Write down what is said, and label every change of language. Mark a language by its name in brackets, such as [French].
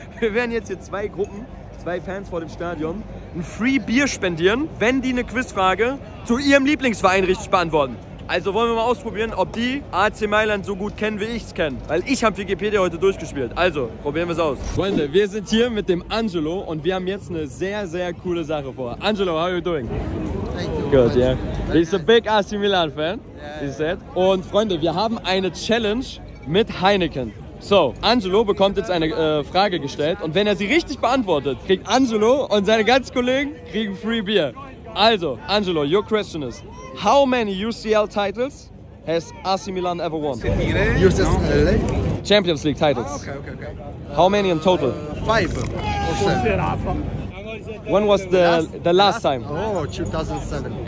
[German] Wir werden jetzt hier zwei Gruppen, zwei Fans vor dem Stadion, ein Free Bier spendieren, wenn die eine Quizfrage zu ihrem Lieblingsverein richtig beantworten. Also wollen wir mal ausprobieren, ob die AC Mailand so gut kennen, wie ich es kenne. Weil ich habe Wikipedia heute durchgespielt. Also, probieren wir es aus. Freunde, wir sind hier mit dem Angelo und wir haben jetzt eine sehr, sehr coole Sache vor. [English] Angelo, how are you doing? Thank you. Good, yeah. He's a big AC Milan fan, he said. [German] Und Freunde, wir haben eine Challenge mit Heineken. So, Angelo bekommt jetzt eine Frage gestellt und wenn er sie richtig beantwortet, kriegt Angelo und seine ganzen Kollegen kriegen free beer. [English] Also, Angelo, your question is, how many UCL titles has AC Milan ever won? UCL? Champions League titles. Oh, okay. How many in total? 5 or 7. When was the last time? Oh, 2007.